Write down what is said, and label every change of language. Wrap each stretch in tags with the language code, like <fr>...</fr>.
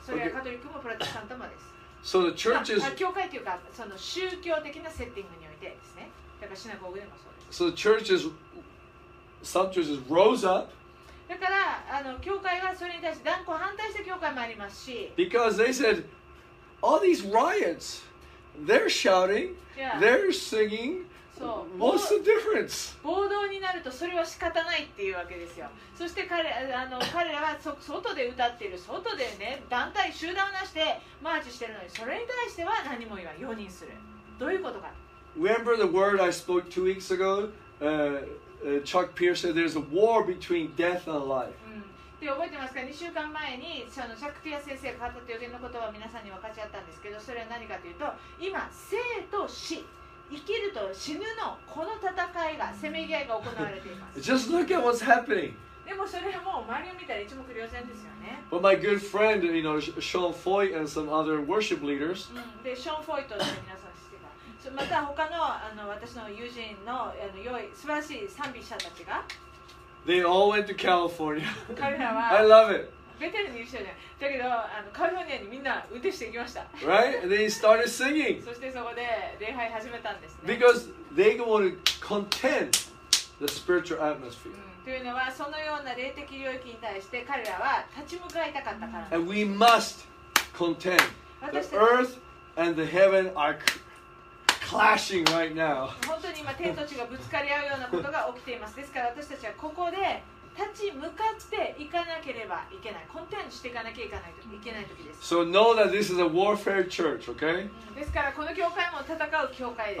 <ja>それはカトリックもプロテスタントもです。</ja> <en>So the churches,</en> <ja>教会というかその宗教的なセッティングにおいてですね。だからシナゴーグでもそうです。</ja> <en>So the churches, some churches rose up.</en> <ja>だからあの教会はそれに対して断固反対した教会もありますし。</ja> <en>Because they said, all these riots, they're shouting, they're singing. So, What's the difference?</en> <ja>暴動になるとそれは仕方ないっていうわけですよ。そして 彼らは外で歌っている、外でね団体集団をなしてマーチしているのに、それに対しては何も言わない、容認する、どういうことか。</ja> <en>Remember the word I spoke 2 weeks ago? Chuck Pierce said there's a war between death and life、</en> <ja>で覚えてますか、2週間前にそのチャック・ピア先生が語った予言の言葉を皆さんに分かち合ったんですけど、それは何かというと、今生と死、生きると死ぬのこの戦いが、せめぎ合いが行われています。</ja> <en>Just look at what's happening.</en> <ja>でもそれはもう周りを見たら一目瞭然ですよね。</ja> <en>But my good friend, you know, Sean Foy and some other worship leaders.</en> <ja>で、Sean Foy と皆さん知ってた。そまた他の、 あの私の友人の、 あの良い素晴らしい賛美者たちが。</ja> <en>They all went to California.</en> <ja>彼らは。</ja> <en>I love it.</en> <ja>ベテルに言う人じゃない。だけどあのカリフォルニアにみんな運転していきました。</ja> <en>Right? And they started singing.</en> <ja>そしてそこで礼拝始めたんですね。</ja> <en>Because they want to contend the spiritual atmosphere.、</en> <ja>というのはそのような霊的領域に対して彼らは立ち向かいたかったから。</ja> <en>And we must contend. The earth and the heaven are clashing right now.</en> <ja>本当に今天と地がぶつかり合うようなことが起きています。ですから私たちはここで立ち向かっていかなければいけない、コンテンツしていかなきゃいけないときです。</ja> <en>So know that this is a warfare church, okay?</en> <ja>ですからこの教会も戦う教会です。</ja>